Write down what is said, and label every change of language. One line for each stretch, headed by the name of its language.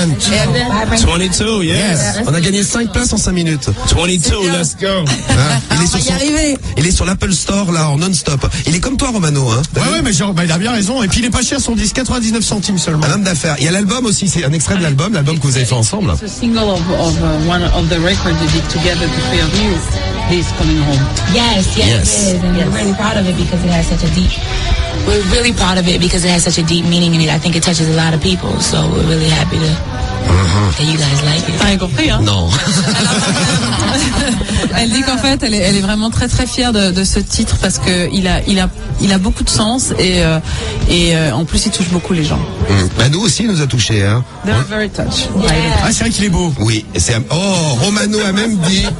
English: 22, yes.
French: On a gagné 5 places en 5 minutes.
English: 22, let's go.
French: Il est sur son, il est sur l'Apple Store là en non-stop. Il est comme toi, Romano. Hein, ouais, mais genre, bah, il a bien raison. Et puis il est pas cher, son disque, 99 centimes seulement. Un homme d'affaires. Il y a l'album aussi, c'est un extrait de l'album, l'album que vous avez fait ensemble. C'est un
English: single of one of the records we did together, the three of you. He's coming home. Yes. We're really proud of it because it has such a deep meaning in it. I think it touches a lot of people, so we're really happy to that you guys like it.
French: T'as rien compris, hein? Non. Elle dit qu'en fait, elle est vraiment très très fière de ce titre parce que il a beaucoup de sens et en plus il touche beaucoup les gens. Mm. Bah, nous aussi, il nous a touché, hein.
English: They're very touched.
French: Yeah. Ah, c'est vrai qu'il est beau. Oui. C'est oh, Romano a même dit,